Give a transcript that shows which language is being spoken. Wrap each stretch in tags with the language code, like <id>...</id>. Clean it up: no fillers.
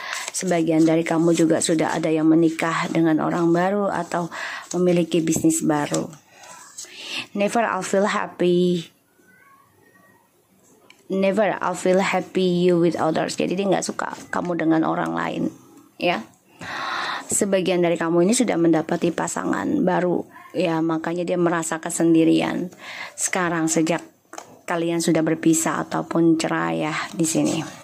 <id>Sebagian dari kamu juga sudah ada yang menikah dengan orang baru atau memiliki bisnis baru.</id> <en>Never I'll feel happy. Never I'll feel happy you with others.</en> <id>Jadi dia gak suka kamu dengan orang lain, ya. Sebagian dari kamu ini sudah mendapati pasangan baru, ya, makanya dia merasa kesendirian sekarang sejak kalian sudah berpisah ataupun cerai, ya, di sini.</id>